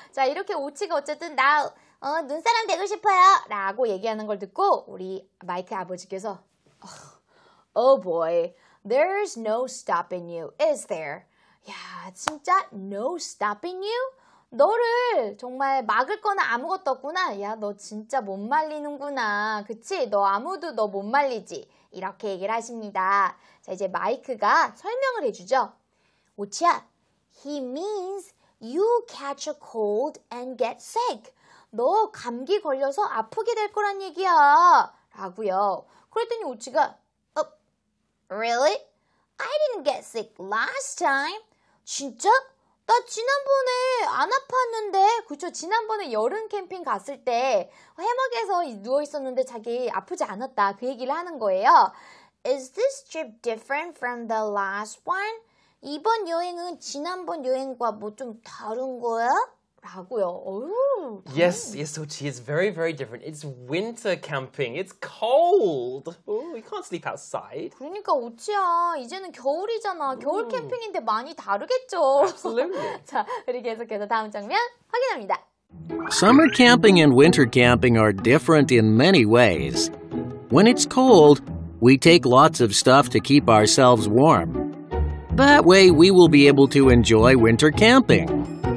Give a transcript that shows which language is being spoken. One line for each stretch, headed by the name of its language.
Korean: 자, 이렇게 오치가 어쨌든 나 눈사람 되고 싶어요 라고 얘기하는 걸 듣고 우리 마이크 아버지께서
English: Oh boy, there's no stopping you, is there?
Korean: 야, 진짜
English: no stopping you?
Korean: 너를 정말 막을 거나 아무것도 없구나. 야, 너 진짜 못 말리는구나. 그치? 너 아무도 너 못 말리지. 이렇게 얘기를 하십니다. 자, 이제 마이크가 설명을 해주죠.
English: 오치야, he means you catch a cold and get sick.
Korean: 너 감기 걸려서 아프게 될 거란 얘기야. 라고요. 그랬더니 오치가,
English: oh, really? I didn't get sick last time.
Korean: 진짜? 나 지난번에 안 아팠는데. 그쵸, 지난번에 여름 캠핑 갔을 때 해먹에서 누워있었는데 자기 아프지 않았다. 그 얘기를 하는 거예요.
English: Is this trip different from the last one?
Korean: 이번 여행은 지난번 여행과 뭐 좀 다른 거야? 라고요. 오우,
English: yes, yes, Ochi, it's very, very different. It's winter camping. It's cold. Ooh, you can't sleep outside.
Korean: 그러니까 오치야, 이제는 겨울이잖아. 겨울 캠핑인데 많이 다르겠죠.
English: Absolutely.
Korean: 자, 우리 계속해서 다음 장면 확인합니다.
English: Summer camping and winter camping are different in many ways. When it's cold, we take lots of stuff to keep ourselves warm. That way, we will be able to enjoy winter camping.